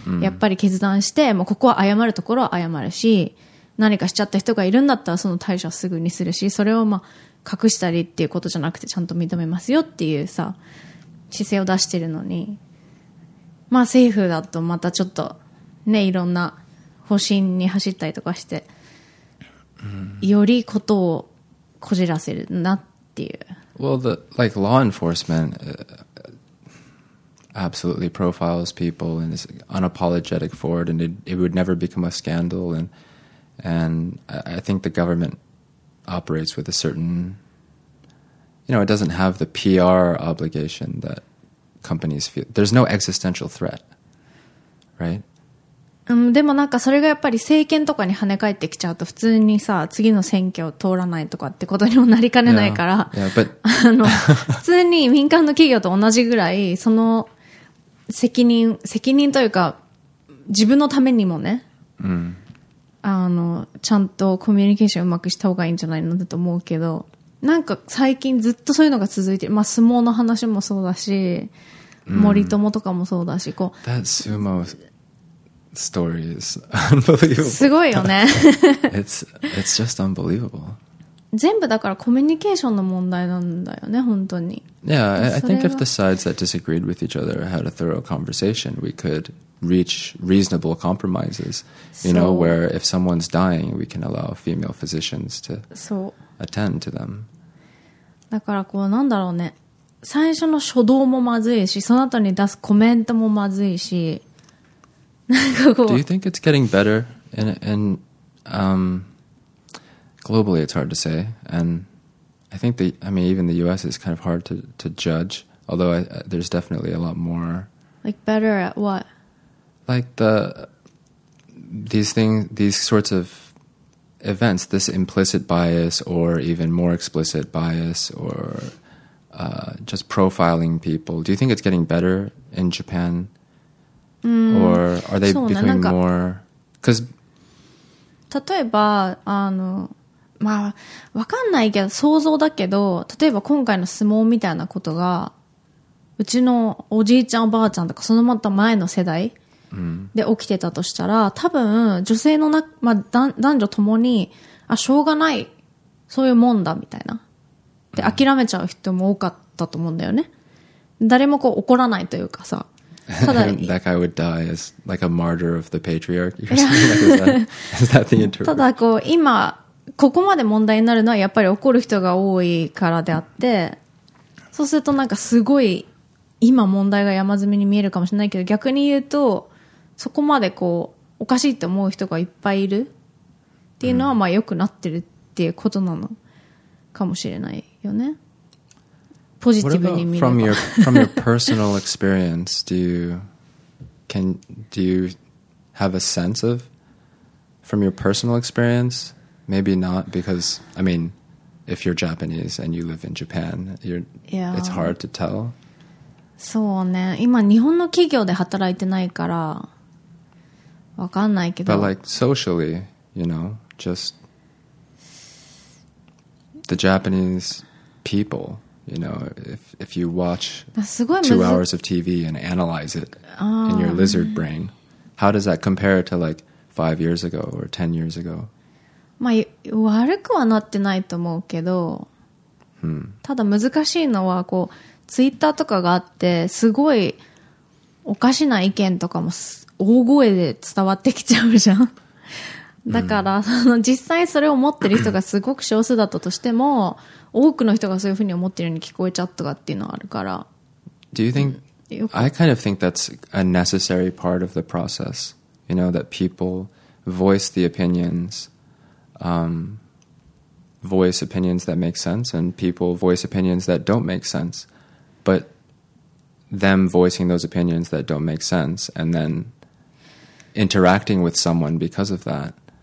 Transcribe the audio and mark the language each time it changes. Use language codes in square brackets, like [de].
[ja] やっぱり決断して、もうここは謝るところは謝るし、何かしちゃった人がいるんだったらその対処はすぐにするし、それをまあ隠したりっていうことじゃなくてちゃんと認めますよっていうさ、姿勢を出してるのに、まあ政府だとまたちょっとね、いろんな方針に走ったりとかして、よりことをこじらせるなっていう。 [en] Well, the, like law enforcement, absolutely profiles people and is unapologetic for it, and it would never become a scandal. And I think the government operates with a certain, you know, it doesn't have the PR obligation that companies feel. There's no existential threat, right? [ja] でもなんかそれがやっぱり政権とかに跳ね返ってきちゃうと普通にさ次の選挙を通らないとかってことにもなりかねないから普通に民間の企業と同じぐらいその責任というか自分のためにもね、ちゃんとコミュニケーションうまくした方がいいんじゃないのだと思うけどなんか最近ずっとそういうのが続いてる、まあ、相撲の話もそうだし、森友とかもそうだしこう [en] That sumoStory is unbelievable. [ja] すごいよね。 [en] it's just unbelievable. [ja] 全部だからコミュニケーションの問題なんだよね、本当に。 [en] Yeah, I think if the sides that disagreed with each other had a thorough conversation, we could reach reasonable compromises. You know, where if someone's dying, we can allow female physicians to attend to them. [ja] だからこうなんだろうね。最初の初動もまずいし、その後に出すコメントもまずいし。 [en] Do you think it's getting better? And globally, it's hard to say. And I think even the U.S. is kind of hard to judge. Although there's definitely a lot more. Like better at what? Like these sorts of events, this implicit bias or even more explicit bias or just profiling people. Do you think it's getting better in Japan? Or are they becoming more? Because, [ja] 例えばまあわかんないけど想像だけど、例えば今回の相撲みたいなことがうちのおじいちゃんおばあちゃんとかそのまた前の世代で起きてたとしたら、多分女性のな、まあ、男女ともにあしょうがないそういうもんだみたいなで諦めちゃう人も多かったと思うんだよね。誰もこう怒らないというかさ。 [en] That guy would die as like a martyr of the patriarchy or something like that. Is that the interpretation? [ja] ただこう今ここまで問題になるのはやっぱり怒る人が多いからであって、そうするとなんかすごい今問題が山積みに見えるかもしれないけど、逆に言うとそこまでこうおかしいと思う人がいっぱいいるっていうのはまあ良くなってるっていうことなのかもしれないよね。 [en] What about from your personal experience? Do you have a sense of from your personal experience? Maybe not because I mean, if you're Japanese and you live in Japan, it's hard to tell. [ja] そうね。今日本の企業で働いてないからわかんないけど。 [en] But like socially, you know, just the Japanese people. You know, if you watch 2 hours of TV and analyze it in your lizard brain, how does that compare to like 5 years ago or 10 years ago? [ja] まあ悪くはなってないと思うけど、ただ難しいのはこうツイッターとかがあってすごいおかしな意見とかも大声で伝わってきちゃうじゃん。だから、実際それを持ってる人がすごく少数だったとしても、多くの人がそういうふうに思ってるように聞こえちゃったかっていうのはあるから。 [en] Do you think, I kind of think that's a necessary part of the process, you know, that people voice the opinions, voice opinions that make sense, and people voice opinions that don't make sense, but them voicing those opinions that don't make sense, and then interacting with someone because of that.